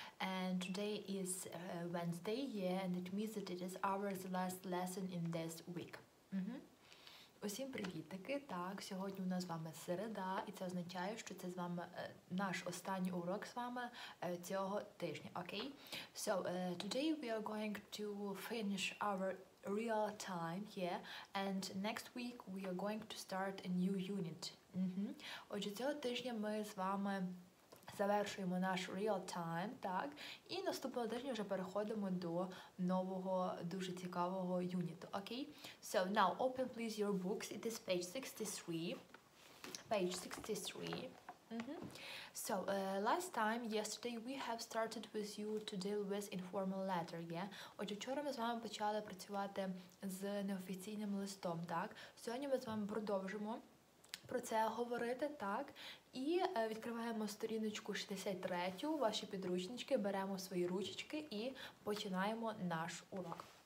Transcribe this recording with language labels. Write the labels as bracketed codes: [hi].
[en] And today is Wednesday, yeah, and it means that it is our last lesson in this week. [uk] Усім привіт таки. Так, сьогодні у нас з вами середа, і це означає, що це з вами наш останній урок з вами цього тижня, окей? [en] So, today we are going to finish our real time, yeah, and next week we are going to start a new unit. [uk] Отже, цього тижня ми з вами завершуємо наш real time, так? І наступного тижня вже переходимо до нового, дуже цікавого юніту, окей? [en] So, now, open please your books. It is page 63. Page 63. Mm-hmm. So, last time, yesterday, we have started with you to deal with informal letter, yeah? [uk] Отже, вчора ми з вами почали працювати з неофіційним листом, так? Сьогодні ми з вами продовжимо про це говорити, так? І відкриваємо сторіночку 63, ваші підручнички, беремо свої ручечки і починаємо наш урок.